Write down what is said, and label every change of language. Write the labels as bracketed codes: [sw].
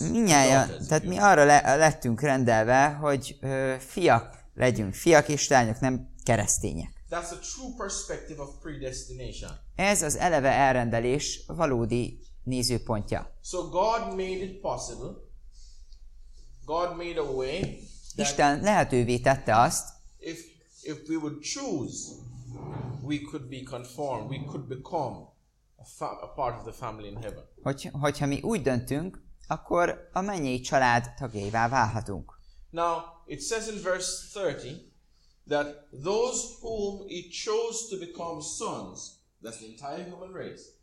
[hu] Mindjárt, tehát mi arra lettünk rendelve, hogy fiak legyünk, fiak és lányok, nem keresztények. [en] That's a true perspective of predestination. [hu] Ez az eleve elrendelés valódi nézőpontja. [en] So God made it possible. God made a way. [hu] Isten lehetővé tette azt. [en] If we would choose, we could be conformed. We could become a part of the family in heaven. [hu] Hogyha mi úgy döntünk, akkor a mennyei család tagjaivá válhatunk. [en] Now it says in verse 30 that those whom he chose to become sons, that's the entire human race.